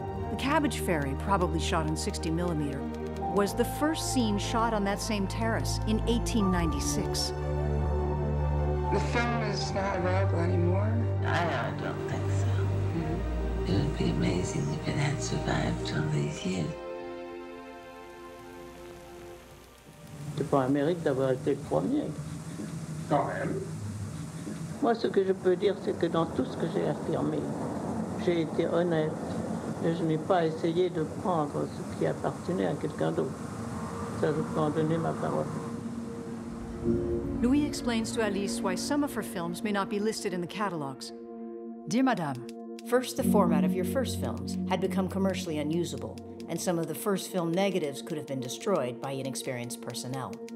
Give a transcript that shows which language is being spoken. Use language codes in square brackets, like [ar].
[en] The cabbage fairy, probably shot in 60 millimeter, was the first scene shot on that same terrace in 1896. The film is not available anymore? I don't think so. Mm-hmm. It would be amazing if it had survived all these years. [fr] C'est pas un mérite d'avoir été le premier. Quand même. Moi, ce que je peux dire, c'est que dans tout ce que j'ai affirmé, j'ai été honnête. Et je n'ai pas essayé de prendre ce qui appartenait à quelqu'un d'autre. Ça, je peux en donner ma parole. [en] Louis explains to Alice why some of her films may not be listed in the catalogs. Dear Madame, first the format of your first films had become commercially unusable, and some of the first film negatives could have been destroyed by inexperienced personnel.